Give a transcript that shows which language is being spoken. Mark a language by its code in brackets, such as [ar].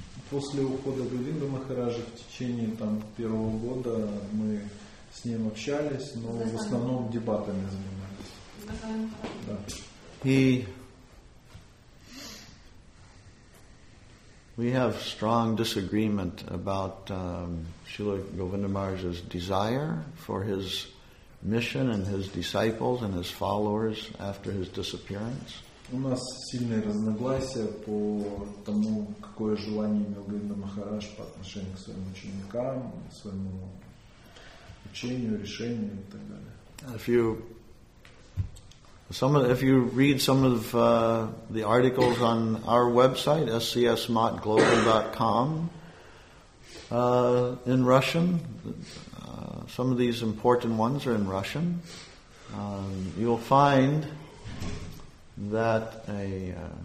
[ru] После ухода Говинда Махараджа в течение там первого года мы с ним общались, но в основном дебатами занимались. Да. [en] We have strong disagreement about Srila Govinda Maharaj's desire for his mission and his disciples and his followers after his disappearance. [ru] У нас сильные разногласия по тому, какое желание имел Говинда Махарадж по отношению к своим ученикам, своему учению, решению и так далее. [en] If you read some of the articles on our website, scsmotglobal.com, in Russian, some of these important ones are in Russian, you'll find that a